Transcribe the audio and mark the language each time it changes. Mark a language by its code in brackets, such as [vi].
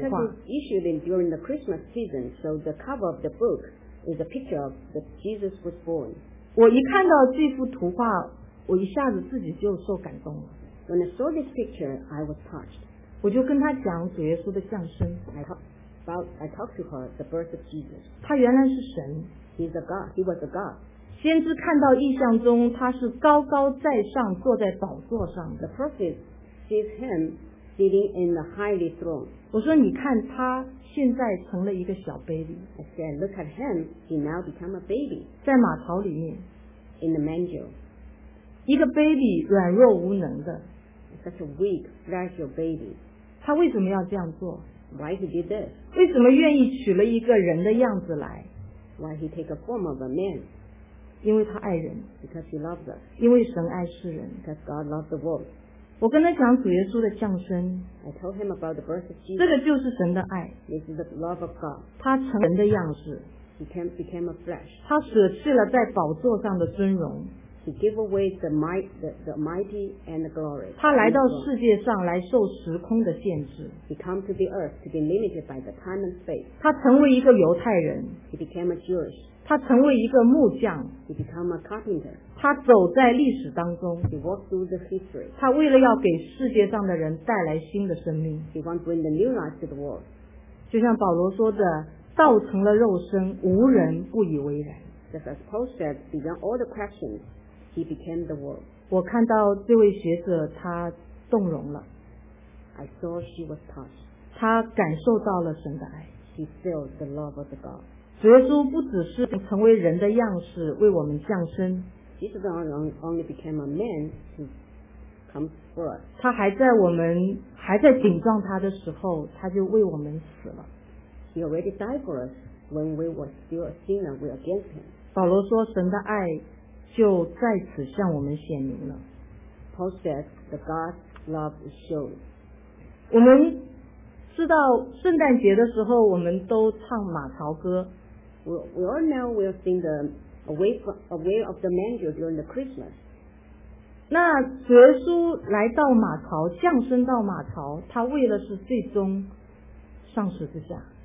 [en] Because it's issued in during the Christmas season, so the cover of the book is a picture of the Jesus was born. [zh] 我一看到这幅图画，我一下子自己就受感动了。 [en] When I saw this picture, I was touched. [zh] 我就跟他讲主耶稣的降生。 [en] I talked to her the birth of Jesus. [zh] 他原来是神。 [en] He's a God. He was a God. [zh] 先知看到异象中他是高高在上坐在宝座上。 [en] The prophet sees him. Sitting in the highly throne. [zh] 我说你看他现在成了一个小 baby. [en] I said, look at him. He now become a baby. [zh] 在马槽里面。 [en] In the manger. [zh] 一个 baby 软弱无能的。 [en] Such a weak, fragile baby. [zh] 他为什么要这样做 [en] ？Why he did this? [zh] 为什么愿意取了一个人的样子来 [en] ？Why he take a form of a man? [zh] 因为他爱人。 [en] Because he loves us. [zh] 因为神爱世人。 [en] Because God loves the world. [zh] 我跟他讲主耶稣的降生 [en] I told him about the birth of Jesus. [zh] 这个就是神的爱 [en] This is the love of God. [zh] 他成人的样式 [en] He became a flesh. [zh] 他舍弃了在宝座上的尊荣 [en] He gave away the mighty and the glory. [zh] 他来到世界上来受时空的限制 [en] He came to the earth to be limited by the time and space. [zh] 他成为一个犹太人 [en] He became a Jewish. [zh] 他成为一个木匠 [en] He became a carpenter. [zh] 他走在历史当中 [en] He walked through the history. [zh] 他为了要给世界上的人带来新的生命 [en] He wanted to bring the new life to the world. [zh] 就像保罗说的道成了肉身无人不以为然 [en] Just as Paul said beyond all the questions he became the world. [zh] 我看到这位学者他动容了 [en] I saw she was touched. [zh] 他感受到了神的爱 [en] He felt the love of the God. [zh] 主耶稣不只是成为人的样式为我们降生 [en] Jesus only became a man to comes for us. [zh] 他还在我们还在顶撞他的时候，他就为我们死了。 [en] He already died for us when we were still a sinner, we were against him. [zh] 保罗说，神的爱就在此向我们显明了。 [en] Paul says, the God's love is shown. [zh] 我们知道圣诞节的时候，我们都唱马槽歌。 [en] We all know we'll sing the away of the manger during the Christmas. [zh] 那耶稣来到马槽，降生到马槽，他为的是最终上十字架。